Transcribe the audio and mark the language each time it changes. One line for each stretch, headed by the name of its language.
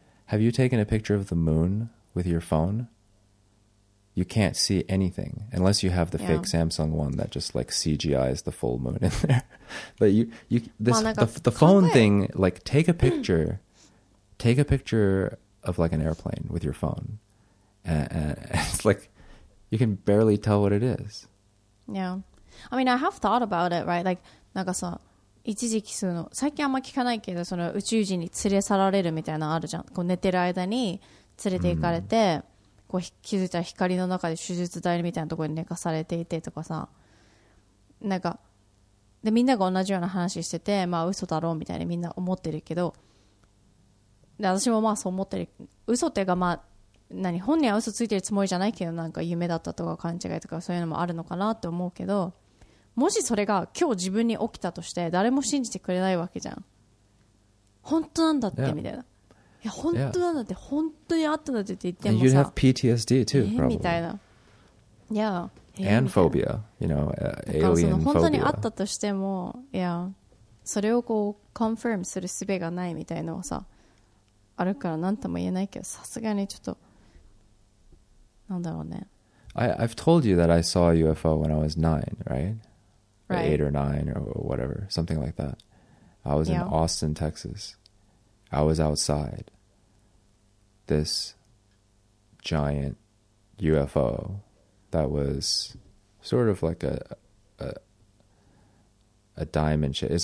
English: Have you taken a picture of the moon with your phone? You can't see anything unless you have the fake Samsung one that just like CGIs the full moon in there. But the phone thing, like take a picture of like an airplane with your phone, and it's like you can barely tell what it is. Yeah, I mean, I have thought about it, right?
Japanese: Like, なんかさ、 一時期その最近あんま聞かないけど、その宇宙人に連れ去られるみたいなのあるじゃん。こう寝てる間に連れて行かれて、こう気づいたら光の中で手術台みたいなところに寝かされていてとかさ、なんかでみんなが同じような話してて、まあ嘘だろうみたいなみんな思ってるけど、で私もまあそう思ってる。嘘っていうか、まあ何、本人は嘘ついてるつもりじゃないけど、なんか夢だったとか勘違いとかそういうのもあるのかなって思うけど。もしそれが今日自分に起きたとして誰も信じてくれないわけじゃん。本当なんだってみたいな、いや本当なんだって、本当にあったんだってって言ってもさ、
English: you'd have PTSD too probably
Japanese: みたいな、いや、
English: and phobia、 you know、 alien phobia、
Japanese: 本当にあったとしても、いや、それをこう confirm する術がないみたいなのはさあるから、何とも言えないけど、さすがにちょっとなんだろうね。
English: I've told you that I saw a UFO when I was 9, right? Right. 8 or 9 or whatever, something like that. I was in Austin, Texas. I was outside. This giant UFO that was sort of like a diamond shape.